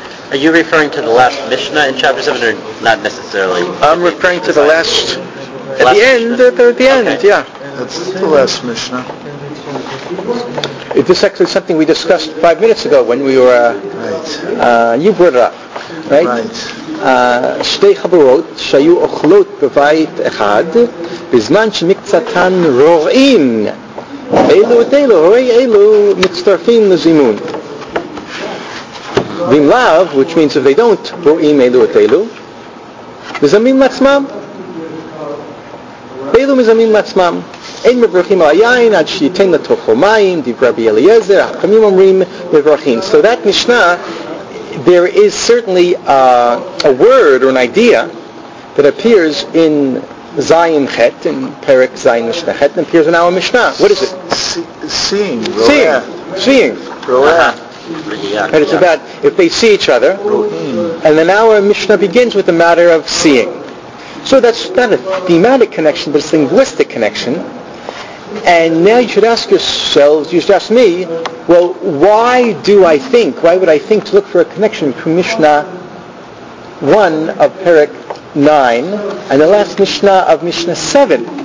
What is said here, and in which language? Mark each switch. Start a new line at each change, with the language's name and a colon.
English: Are you referring to the last Mishnah in chapter 7 or not necessarily? I'm referring to the last at the end, yeah. That's the last Mishnah. This is actually something we discussed 5 minutes ago when we were, you brought it up, right? Right.
Hebrew: שתי חברות שהיו אוכלות בבית אחד בזמן שמקצתן רואים אלו את אלו, רואי אלו מצטרפים לזימון ואם לאו,
English: which means if they don't,
Hebrew: רואים אלו את אלו מזמין לעצמם אלו מזמין לעצמם אין מברכים על היין עד שייתן לתוכו מים דברי בי אליעזר, החכמים אומרים מברכים
English: so that משנה there is certainly a word or an idea that appears in Zayin Chet, in Perek Zayin Mishnah Chet, and appears in our Mishnah. What is it? Seeing. Seeing. Uh-huh. And it's about if they see each other. And then our Mishnah begins with the matter of seeing. So that's not a thematic connection, but it's a linguistic connection. And now you should ask yourselves, you should ask me, well, why would I think to look for a connection between Mishnah 1 of Perek 9 and the last Mishnah of Mishnah 7?